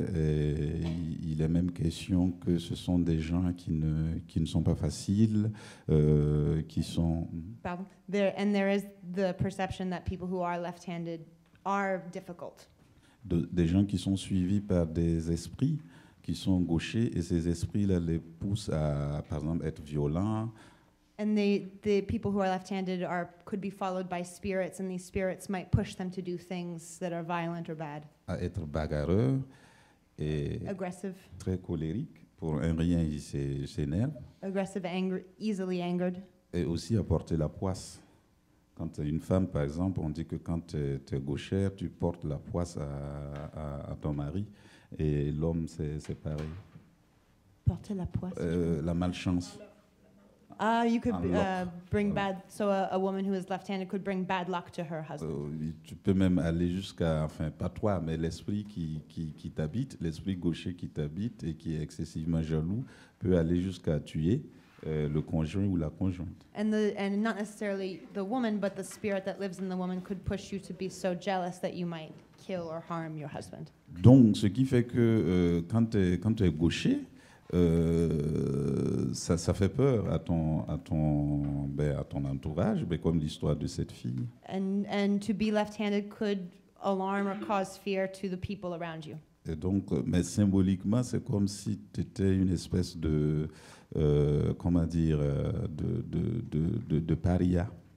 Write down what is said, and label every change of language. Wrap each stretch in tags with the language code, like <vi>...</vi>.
<fr>Et il est même question que ce sont des gens qui ne sont pas faciles, qui sont. Pardon.</fr> <en>There is the perception that people who are left-handed are difficult.</en> <fr>Des gens qui sont suivis par des esprits qui sont gauchers et ces esprits-là les poussent à, par exemple, être violents.</fr> <en>And the people who are left-handed are could be followed by spirits, and these spirits might push them to do things that are violent or bad.</en> <fr>À être bagarreux et</fr> <en>aggressive.</en> <fr>Très colérique. Pour un rien, il s'énerve.</fr> <en>Aggressive, angry, easily angered.</en> <fr>Et aussi à porter la poisse. Quand tu es une femme, par exemple, on dit que quand tu es gauchère, tu portes la poisse à ton mari. Et l'homme, c'est pareil. Porter la poisse. La malchance.</fr> <en>You could bring bad. So a woman who is left-handed could bring bad luck to her husband.</en> <fr>Tu peux même aller jusqu'à, enfin, pas toi, mais l'esprit qui t'habite, l'esprit gaucher qui t'habite et qui est excessivement jaloux peut aller jusqu'à tuer le conjoint ou la conjointe.</fr> <en>And not necessarily the woman, but the spirit that lives in the woman could push you to be so jealous that you might kill or harm your husband.</en> <fr>Donc, ce qui fait que quand tu es gaucher. Ça fait peur à ton entourage, mais comme l'histoire de cette fille.</fr> <en>And to be left-handed could alarm or cause fear to the people around you.</en> <fr>Et donc, mais symboliquement, c'est comme si tu étais une espèce de comment dire de paria.</fr>